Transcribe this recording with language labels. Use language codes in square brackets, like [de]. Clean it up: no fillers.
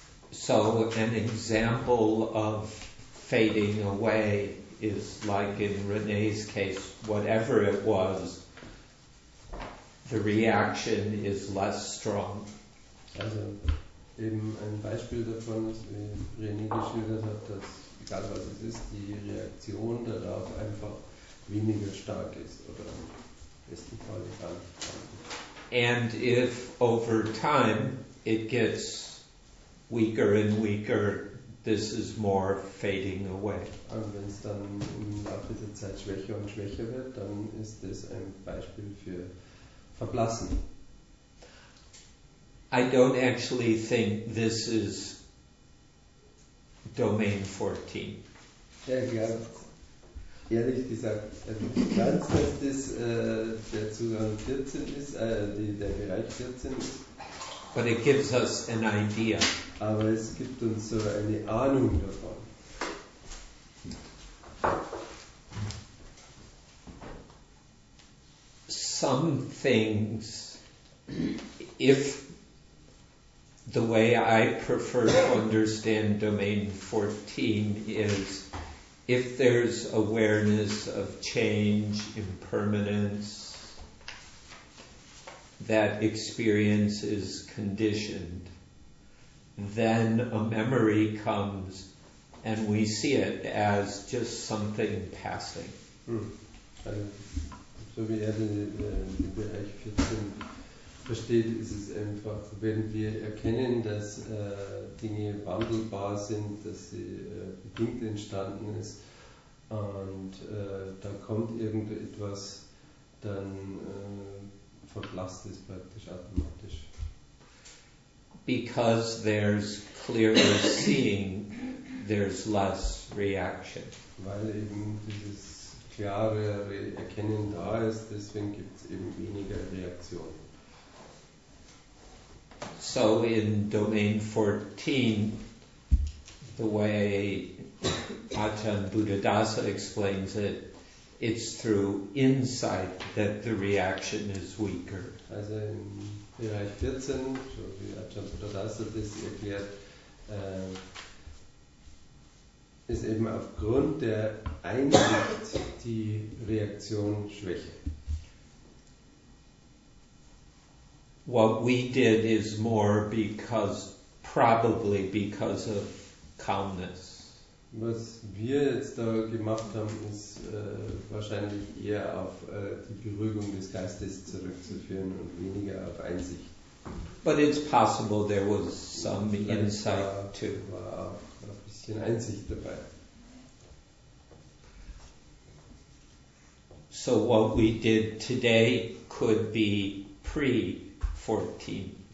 [en] So an example of fading away is like in Renee's case, whatever it was, the reaction is less strong. [de] Also eben ein Beispiel davon ist, wie Renee geschildert hat, dass egal was es ist, die Reaktion darauf einfach weniger stark ist oder im besten Fall egal. [en] And if over time it gets weaker and weaker, this is more fading away. [de] Und wenn es dann im Laufe der Zeit schwächer und schwächer wird, dann ist das ein Beispiel für Verblassen. [en] I don't actually think this is domain 14. [de] Ja, ich glaube, ehrlich gesagt, ganz, dass das der Zugang 14 ist, der Bereich 14 ist. [en] But it gives us an idea. [de] Aber es gibt uns so eine Ahnung davon. [en] Some things, if the way I prefer to understand domain 14 is, if there's awareness of change, impermanence, that experience is conditioned, then a memory comes and we see it as just something passing. [de] Also, so wie er den Bereich 14 versteht, ist es einfach, wenn wir erkennen, dass Dinge wandelbar sind, dass sie bedingt entstanden ist und da kommt irgendetwas, dann verblasst es praktisch automatisch. [en] Because there's clearer seeing, there's less reaction. [de] Weil eben dieses klare Erkennen da ist, deswegen gibt es eben weniger Reaktion. [en] So in Domain 14, the way Ajahn Buddhadasa explains it, it's through insight that the reaction is weaker. [de] Also in Bereich 14, so wie Ajahn Buddhadasa das erklärt, ist eben aufgrund der Einsicht die Reaktion schwächer. [en] What we did is more because, probably because of calmness. [de] Was wir jetzt da gemacht haben, ist wahrscheinlich eher auf die Beruhigung des Geistes zurückzuführen und weniger auf Einsicht. [en] But it's possible there was some insight too. [de] War auch ein bisschen Einsicht dabei. [en] So what we did today could be pre-14.